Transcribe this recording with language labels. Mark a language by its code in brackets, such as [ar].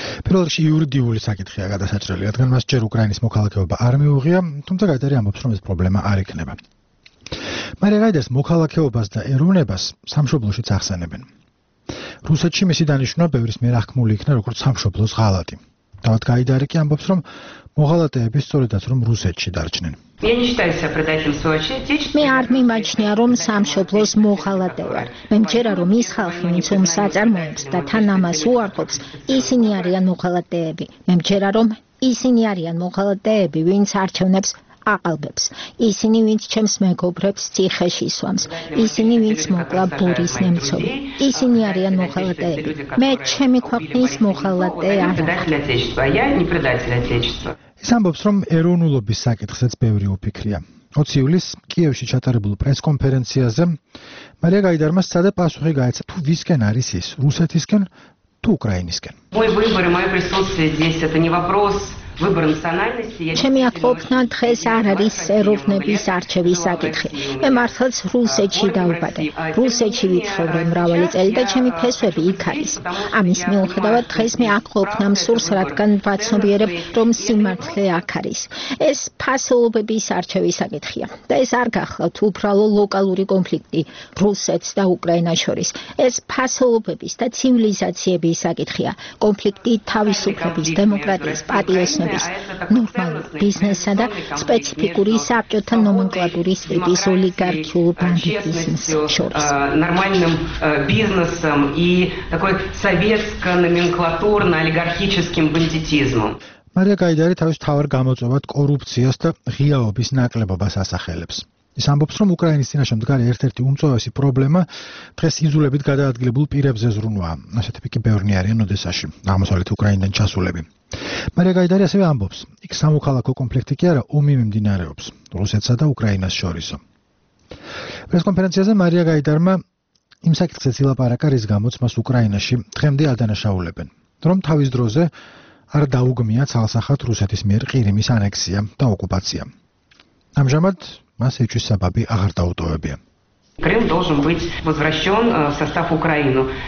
[ka] პირველ რიგში იურიდიული საკითხია გადასაჭრელი, რადგან მას ჯერ უკრაინის მოქალაქეობა არ მიუღია, თუმცა გაიდარი ამბობს, რომ ეს პრობლემა არ იქნება. მარია გაიდარის მოქალაქეობას და ეროვნებას სამშობლოშიც ახსენებენ. რუსეთში მისი დანიშნვა ბევრის მიერ აღქმული იქნა როგორც სამშობლოს ღალატი. თავად გაიდარი კი ამბობს, რომ მოღალატეები სწორედაც რომ რუსეთში დარჩნენ. [ru] Я не считаю себя предателем своего отечества. Мы армимачня, [ka] რომ სამშობლოს მოღალატე ვარ. მე მჯერა რომ ის ხალხი, ვინც ომ საწარმოებს და თან ამას უარყოფს, ისინი არიან მოღალატეები. მე მჯერა რომ ისინი არიან მოღალატეები, ვინც არჩევნებს აყალბებს. ისინი, ვინც ჩემს მეგობრებს ციხეში სვამს. ისინი, ვინც მოკლა ბორის ნემცოვი. ისინი არიან მოღალატეები. მე ჩემი ქვეყნის მოღალატეა. [ru] Я не предатель отечества. Я не предатель отечества. [ka] ის ამბობს, რომ ეროვნულობის საკითხზეც ბევრი უფიქრია. 20 ივლისს კიევში ჩატარებულ პრესკონფერენციაზე მარია გაიდარმა სცადა პასუხი გაეცა, თუ ვისკენ არის ის, რუსეთისკენ თუ უკრაინისკენ. [ru] Мой выбор и моё присутствие здесь это не вопрос выбор национальности. Я [ka] ჩემი აქტიობა დღეს არ არის ეროვნების არჩევის საკითხი. მე მართლაც რუსეთში დავბადე. რუსეთში ვიცხოვრე მრავალი წელი და ჩემი ფესვები იქ არის. ამის მიუხედავად დღეს მე აქტიობა მსურს, რადგან ვაცნობიერებ, რომ სიმართლე აქ არის. ეს ფასეულობების არჩევის საკითხია და ეს არ გახლავთ უბრალო ლოკალური კონფლიქტი რუსეთს და უკრაინას შორის. ეს ფასეულობების და ცივილიზაციების საკითხია. კონფლიქტი თავისუფლების, დემოკრატიის, პატრიოტიზმის ნორმალურ ბიზნესსა და სპეციფიკური საბჭოთა ნომენკლატურის ტიპის ოლიგარქიულ ბანდიტიზმს შორის. [ru] Нормальным бизнесом и такой советско-номенклатурно-олигархическим бандитизмом. [ka] მარია გაიდარი თავის თავარ გამოწვევად კორუფციას და ღიაობის ნაკლებობას ასახელებს. ის ამბობს, რომ უკრაინის წინაშე მდგარი ერთ-ერთი უმწვავესი პრობლემა დღეს იზოლებით გადაადგილებულ პირებზე ზრუნვა. ასეთები კი ბევრნი არიან ოდესაში, აღმოსავლეთ უკრაინიდან ჩასულები. მარია გაიდარი ასევე ამბობს, იქ სამოქალაქო კონფლიქტი კი არა, ომი მიმდინარეობს რუსეთსა და უკრაინას შორის. პრეს კონფერენციაზე მარია გაიდარმა იმ საკითხზე ილაპარაკა, რის გამოც მას უკრაინაში დღემდე ადანაშაულებენ, რომ თავის დროზე არ დაუგმია ცალსახად რუსეთის მიერ ყირიმის ანექსია და ოკუპაცია. ამჟამად მას ეჭვის საბაბი აღარ დაუტოვებია. [ru] Крым должен быть возвращён в состав Украины.